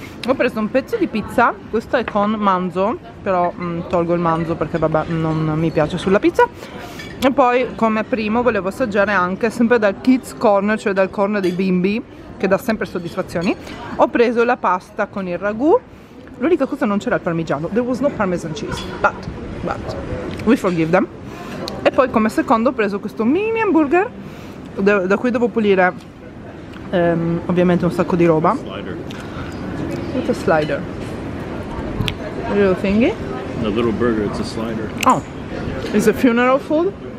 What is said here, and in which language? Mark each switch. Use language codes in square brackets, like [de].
[it] Ho preso un pezzo di pizza, questo è con manzo, però tolgo il manzo perché vabbè, non mi piace sulla pizza. E poi, come primo, volevo assaggiare anche, sempre dal Kids Corner, cioè dal corner dei bimbi, che dà sempre soddisfazioni, ho preso la pasta con il ragù. L'unica cosa, non c'era il parmigiano. [en] There was no parmesan cheese, but we forgive them. [it] E poi, come secondo, ho preso questo mini hamburger, da cui devo pulire ovviamente un sacco di roba. [en] Slider. It's a slider. A little thingy. A little burger, it's a slider. Oh, it's a funeral food?